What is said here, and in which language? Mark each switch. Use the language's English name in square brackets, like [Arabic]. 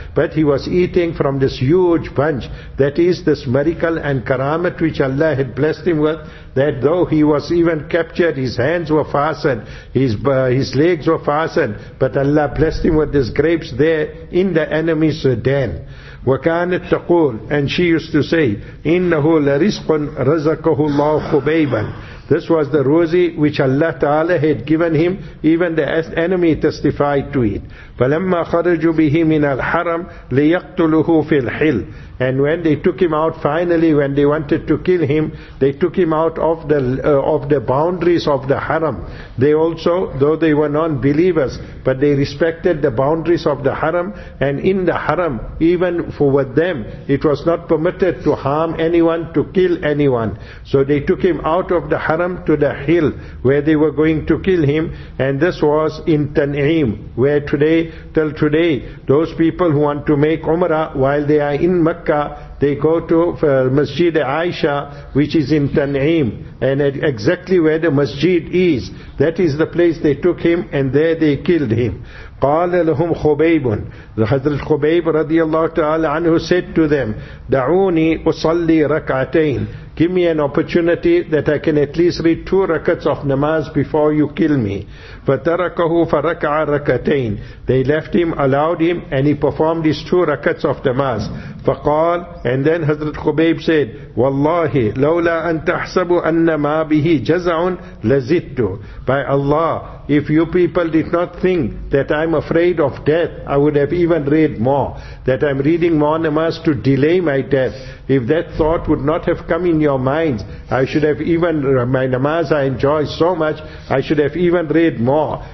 [English] But he was eating from this huge bunch. That is this miracle and karamat which Allah had blessed him with, that though he was even captured, his hands were fastened, his legs were fastened, but Allah blessed him with these grapes there in the enemy's den. [Arabic] وَكَانَتْ تَقُولُ, [English] and she used to say, [Arabic] إِنَّهُ لَرِزْقٌ رَزَقَهُ اللَّهُ خُبَيْبًا. [English] This was the ruzi which Allah Ta'ala had given him, even the enemy testified to it. [Arabic] فَلَمَّا خَرَجُوا بِهِ مِنَ الْحَرَمِ لِيَقْتُلُهُ فِي الْحِلِ. [English] And when they took him out finally, when they wanted to kill him, they took him out of the boundaries of the haram. They also, though they were non-believers, but they respected the boundaries of the haram. And in the haram, even for with them, it was not permitted to harm anyone, to kill anyone. So they took him out of the haram. haram to the hill where they were going to kill him, and this was in Tan'im, where today, till today, those people who want to make Umrah while they are in Makkah, they go to Masjid Aisha, which is in Tan'im, and exactly where the Masjid is, that is the place they took him, and there they killed him. [Arabic] قال لهم خبيب [English] The Hazrat Khubayb [Arabic] رضي الله تعالى عنه [English] said to them, [Arabic] دعوني أصلي ركعتين. [English] Give me an opportunity that I can at least read two rakats of namaz before you kill me. [Arabic] فتركه فركع ركعتين. [English] They left him, allowed him, and he performed his two rakats of namaz. [Arabic] فقال, [English] and then Hazrat Khubayb said, [Arabic] والله لولا أن تحسب أن ما به جزع لزدت. [English] By Allah, if you people did not think that I'm afraid of death, I would have even read more. That I'm reading more namaz to delay my death. If that thought would not have come in your minds, I should have even, my namaz I enjoy so much, I should have even read more.